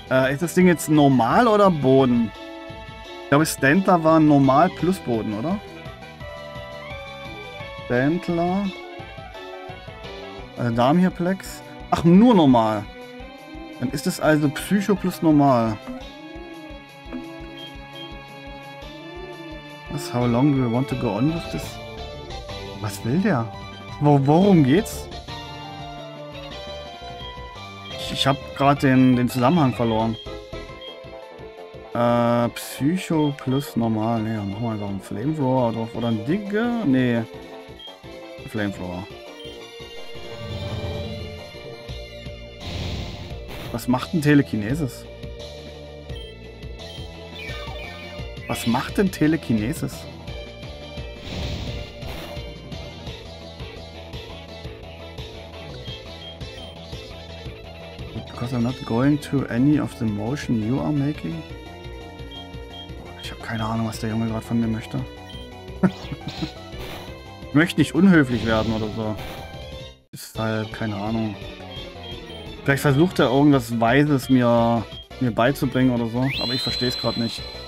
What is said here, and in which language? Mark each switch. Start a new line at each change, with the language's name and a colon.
German: Ist das Ding jetzt normal oder Boden? Ich glaube, Stantler war normal plus Boden, oder? Stantler... Also Darmhirplex. Ach, nur normal. Dann ist es also Psycho plus normal.
English: Was, how long do we want to go on with this?
German: Was will der? Worum geht's? Ich hab grad den Zusammenhang verloren. Psycho plus normal. Ne, mach mal einen Flamethrower drauf. Oder ein Digge? Nee. Flamethrower. Was macht ein Telekinesis? Was macht denn Telekinesis?
English: Because I'm not going to any of the motion you are making?
German: Ich habe keine Ahnung, was der Junge gerade von mir möchte. Ich möchte nicht unhöflich werden oder so. Ist halt keine Ahnung. Vielleicht versucht er irgendwas Weises mir beizubringen oder so, aber ich verstehe es gerade nicht.